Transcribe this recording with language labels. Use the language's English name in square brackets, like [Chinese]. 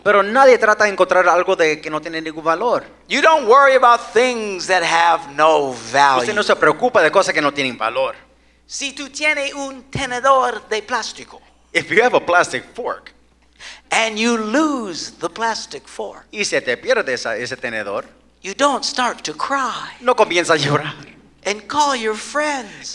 [Spanish] Pero nadie trata de encontrar algo de que no tiene ningún valor. [English] You don't worry about things that have no value. [Spanish] Usted no se preocupa de cosas que no tienen valor. Si tú tienes un tenedor de plástico. [English] If you have a plastic fork. And you lose the plastic fork. [Spanish] Y se te pierde ese tenedor. [English] You don't start to cry. [Spanish] No comienza a llorar. [English] And call your friends.